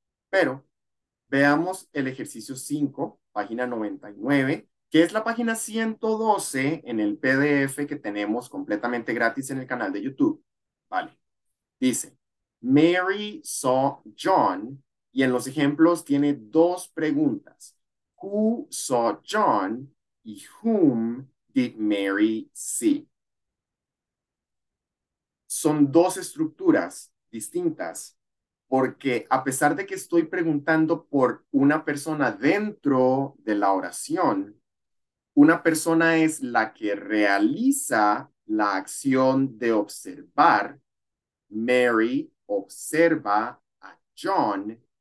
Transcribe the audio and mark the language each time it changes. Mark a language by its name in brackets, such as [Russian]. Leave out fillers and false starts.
[Spanish] Pero veamos el ejercicio 5, página 99, que es la página 112 en el PDF que tenemos completamente gratis en el canal de YouTube. Vale. Dice, [English] Mary saw John [Spanish] y en los ejemplos tiene dos preguntas. [English] Who saw John [Spanish] y [English] whom did Mary see? [Spanish] Son dos estructuras distintas porque a pesar de que estoy preguntando por una persona dentro de la oración, una persona es la que realiza la acción de observar. Mary observa a John.